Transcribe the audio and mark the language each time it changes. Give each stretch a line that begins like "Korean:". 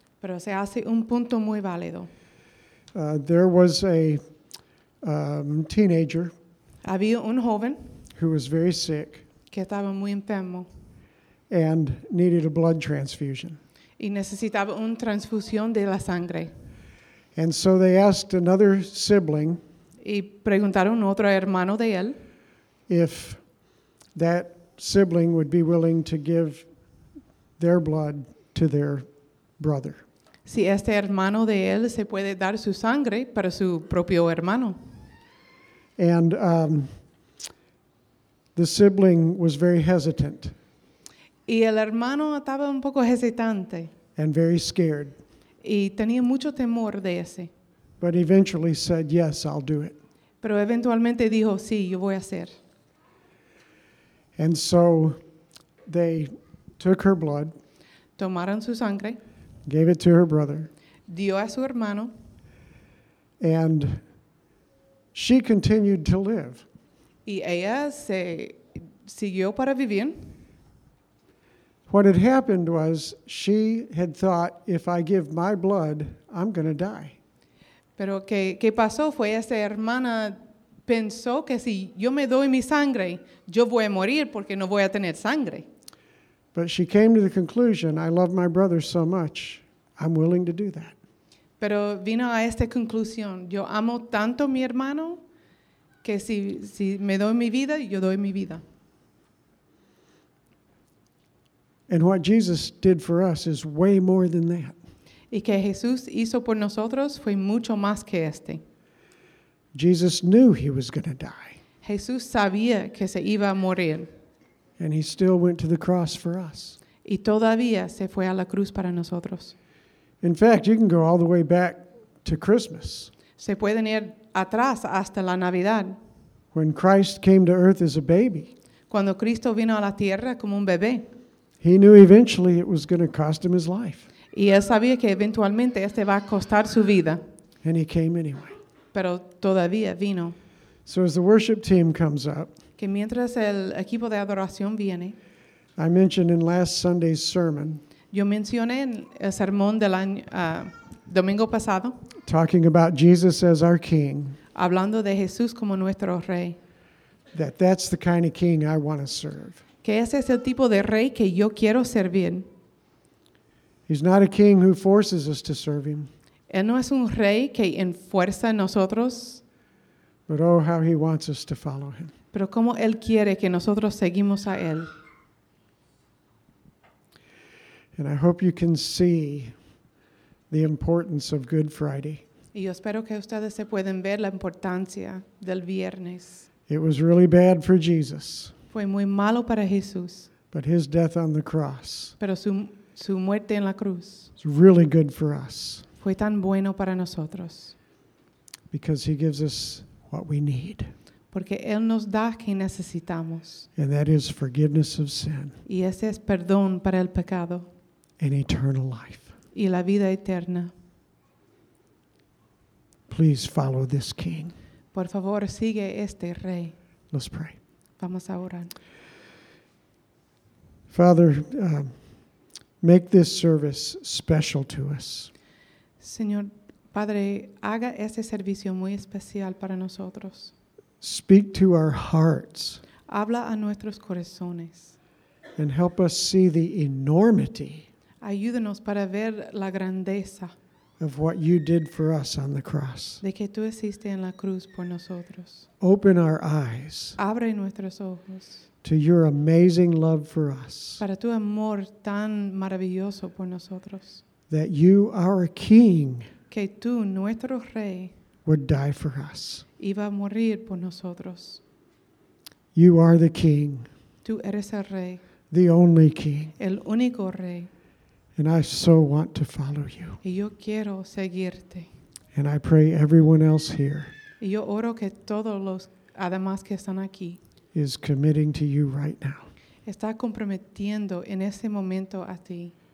Spanish: Pero se hace un punto muy válido.
English: There was a teenager.
Spanish: Había un joven.
English: Who was very sick.
Spanish: Que estaba muy enfermo.
English: And needed a blood transfusion.
Spanish: Y necesitaba una transfusión de la sangre.
English: And so they asked another sibling.
Spanish: Y preguntaron a otro hermano de él.
English: If that sibling would be willing to give their blood to their brother.
Spanish: Si este hermano de él se puede dar su sangre para su propio hermano.
English: And the sibling was very hesitant.
Spanish: Y el hermano estaba un poco hesitante.
English: And very scared.
Spanish: Y tenía mucho temor de ese.
English: But eventually said, yes, I'll do it.
Spanish: Pero eventualmente dijo, sí, yo voy a hacer.
English: And so they took her blood.
Spanish: Tomaron su sangre.
English: Gave it to her brother.
Spanish: Dio a su hermano.
English: And she continued to live.
Spanish: Y ella se siguió para vivir.
English: What had happened was she had thought, if I give my blood, I'm going to die.
Spanish: Pero qué pasó fue esa hermana pensó que si yo me doy mi sangre, yo voy a morir porque no voy a tener sangre.
English: But she came to the conclusion, I love my brother so much, I'm willing to do that.
Spanish: Pero vino a esta conclusión, yo amo tanto a mi hermano que si me doy mi vida, yo doy mi vida.
English: And what Jesus did for us is way more than that.
Spanish: Y que Jesús hizo por nosotros fue mucho más que este.
English: Jesus knew he was going to die.
Spanish: Jesús sabía que se iba a morir.
English: And he still went to the cross for us.
Spanish: Y todavía se fue a la cruz para nosotros.
English: In fact, you can go all the way back to Christmas.
Spanish: Se pueden ir atrás hasta la Navidad.
English: When Christ came to earth as a baby.
Spanish: Cuando Cristo vino a la tierra como un bebé.
English: He knew eventually it was going to cost him his life.
Spanish: Y él sabía que eventualmente este va a costar su vida.
English: And he came anyway.
Spanish: Pero todavía vino.
English: So as the worship team comes up,
Spanish: que mientras el equipo de adoración viene,
English: I mentioned in last Sunday's sermon,
Spanish: yo mencioné en el sermón del año, domingo pasado,
English: talking about Jesus as our king,
Spanish: hablando de Jesús como nuestro rey,
English: that's the kind of king I want to serve.
Spanish: Que ese es el tipo de rey que yo quiero servir.
English: He's not a king who forces us to serve him.
Spanish: Él no es un rey que enfuerza a nosotros.
English: But oh, how he wants us to follow him.
Spanish: Pero cómo él quiere que nosotros seguimos a él.
English: And I hope you can see the importance of Good Friday.
Spanish: Y yo espero que ustedes se pueden ver la importancia del viernes.
English: It was really bad for Jesus.
Spanish: Fue muy malo para Jesús.
English: But his death on the cross.
Spanish: Pero su muerte en la cruz.
English: It's really good for us.
Spanish: Fue tan bueno para nosotros.
English: Because he gives us what we need.
Spanish: Porque él nos da que necesitamos.
English: And that is forgiveness of sin.
Spanish: Y ese es perdón para el pecado.
English: And eternal life.
Spanish: Y la vida eterna.
English: Please follow this king.
Spanish: Por favor, sigue este rey.
English: Let's pray.
Spanish: Vamos a orar.
English: Father, make this service special to us.
Spanish: Señor Padre, haga este servicio muy especial para nosotros.
English: Speak to our hearts.
Spanish: Habla a nuestros corazones.
English: And help us see the enormity.
Spanish: Ayúdanos para ver la grandeza.
English: Of what you did for us on the cross.
Spanish: De que tú hiciste en la cruz por nosotros.
English: Open our eyes.
Spanish: Abre nuestros ojos.
English: To your amazing love for us.
Spanish: Para tu amor tan maravilloso por nosotros.
English: That you, our King,
Spanish: que tú, nuestro rey,
English: would die for us.
Spanish: Iba a morir por nosotros.
English: You are the King.
Spanish: Tú eres el rey.
English: The only King.
Spanish: El único rey.
English: And I so want to follow you.
Spanish: Y yo quiero seguirte.
English: And I pray everyone else here.
Spanish: Y yo oro que todos los además que están aquí.
English: Is committing to you right now.
Spanish: Está comprometiendo en ese momento a ti.